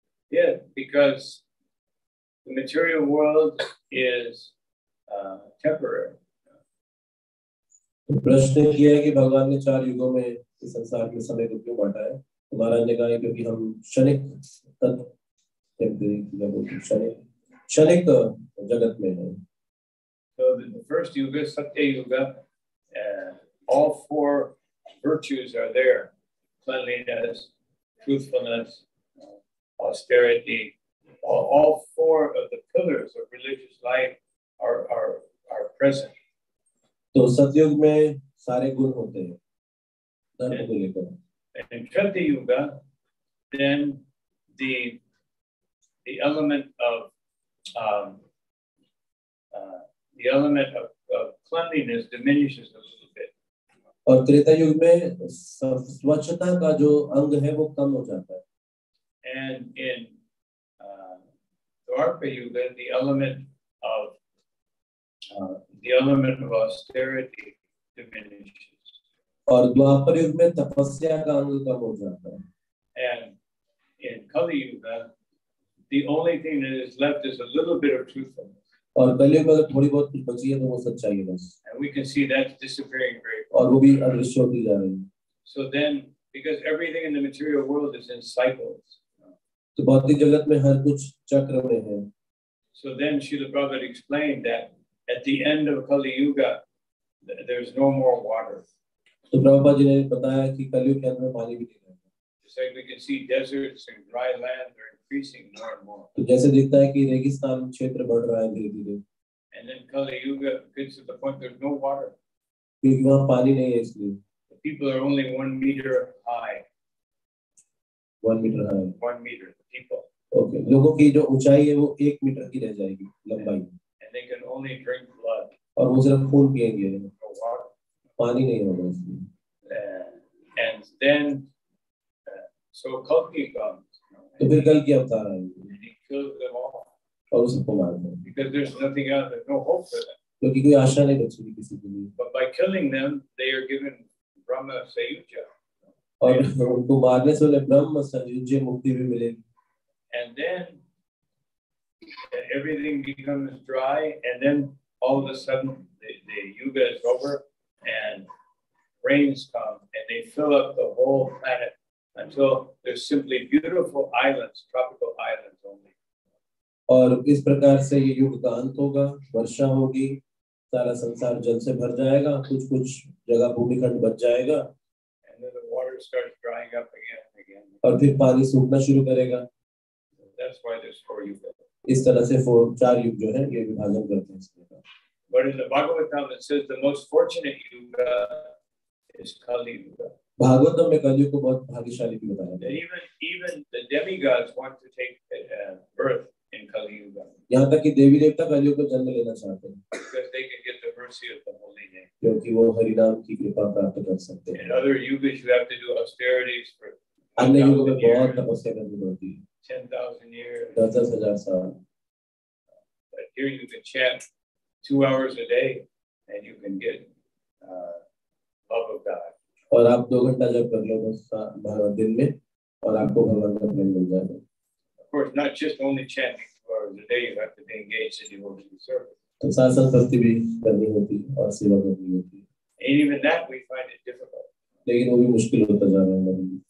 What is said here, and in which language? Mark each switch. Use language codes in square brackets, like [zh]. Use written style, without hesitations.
[en] Yeah, because the material world is temporary. [hi] प्रश्न किया है कि भगवान ने चार युगों में इस संसार के समय को क्यों बांटा है? तो महाराज ने कहा है क्योंकि हम क्षणिक तत्व क्षणिक जगत में हैं. [en] So the first yuga, satya yuga, all four virtues are there: cleanliness, truthfulness, austerity. All four of the pillars of religious life are present. [hi] तो सतयुग में सारे गुण होते हैं धर्म को लेकर. [en] And Tratyayuga, then the element of cleanliness diminishes a little bit. [hi] और त्रेतायुग में स्वच्छता का जो अंग है वो कम हो जाता है. [en] And in Dwapara Yuga, the element of austerity diminishes. [hi] और द्वापर युग में तपस्या का अंग कम हो जाता है. [en] And in Kali Yuga, the only thing that is left is a little bit of truthfulness. [hi] और कलयुग में अगर थोड़ी बहुत कुछ बची है तो वो सच्चाई है बस. [en] And we can see that's disappearing very quickly. [hi] और वो भी अदृश्य होती जा रही है. [en] So then, because everything in the material world is in cycles. [hi] तो भौतिक जगत में हर कुछ चक्र में है. [en] So then Srila Prabhupada explained that at the end of Kali Yuga, there is no more water. [hi] तो प्रभुपाद जी ने बताया कि कलयुग के अंत में पानी भी नहीं रहेगा. [en] Just like we can see deserts and dry land are increasing more and more. [hi] तो जैसे दिखता है कि रेगिस्तान क्षेत्र बढ़ रहा है धीरे-धीरे. [en] And then Kali Yuga gets to the point there's no water. [hi] क्योंकि वहाँ पानी नहीं है इसलिए. [en] The people are only 1 meter high. 1 meter high. 1 meter, people. Okay. [hi] लोगों की जो ऊंचाई है वो 1 meter की रह जाएगी लंबाई. [en] And they can only drink blood. [hi] और वो सिर्फ खून पिएंगे. [en] No water. [hi] पानी नहीं होगा इसमें. [en] And then, so Kalki comes. [hi] तो फिर कल की अवतार आएगी. [en] And he kills them all. [hi] और उसे मार दे. [en] Because there's nothing out there, no hope for them. [hi] क्योंकि कोई आशा नहीं बची थी किसी के लिए. [en] But by killing them, they are given Brahma Sayuja. [hi] और उनको मारने से उन्हें ब्रह्म संयुज्य मुक्ति भी मिलेगी. [en] And then everything becomes dry, and then all of a sudden the yuga is over and rains come and they fill up the whole planet until there's simply beautiful islands, tropical islands only. [hi] और इस प्रकार से ये युग का अंत होगा, वर्षा होगी, सारा संसार जल से भर जाएगा, कुछ कुछ जगह भूमिखंड बच जाएगा, [en] and then the water starts drying up again. [hi] और फिर पानी सूखना शुरू करेगा. [en] That's why there's four yugas. [hi] इस तरह से four, चार युग जो है ये विभाजन करते हैं. [en] But in the Bhagavatam it says the most fortunate yuga is Kali Yuga. [hi] Bhagavatam में कलयुग को बहुत भाग्यशाली भी बताया गया. [en] Even the demigods want to take birth in Kali Yuga. [hi] यहाँ तक कि देवी देवता कलयुग को जन्म लेना चाहते हैं. [en] Because they can get the mercy of the holy name. [hi] क्योंकि वो हरि नाम की कृपा प्राप्त कर सकते हैं. [en] In other yugas you have to do austerities for. [hi] अन्य युगों में बहुत तपस्या करनी पड़ती है. [en] 10,000 years. [hi] 10,000 साल. [en] But here you can chant 2 hours a day, and you can get love of God. [hi] और आप 2 घंटा जब कर लो बस भगवान दिन में, और आपको भगवान का प्रेम मिल जाएगा. [en] Of course, not just only chanting 2 hours a day. You have to be engaged in devotional service. [hi] तो साथ साथ भक्ति भी करनी होती है और सेवा करनी होती है. [en] And even that we find it difficult. [hi] लेकिन वो भी मुश्किल होता जा रहा है.